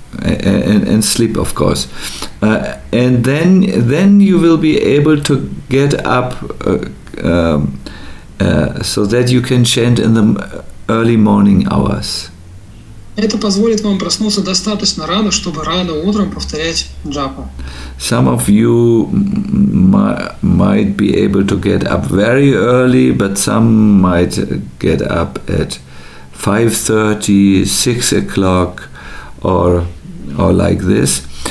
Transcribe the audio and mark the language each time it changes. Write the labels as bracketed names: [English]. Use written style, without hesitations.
[English] And sleep, of course. And then you will be able to get up so that you can chant in the early morning hours. [Russian] Это позволит вам проснуться достаточно рано, чтобы рано утром повторять джапу. [English] Some of you might be able to get up very early, but some might get up at 5:30, 6 o'clock, or like this.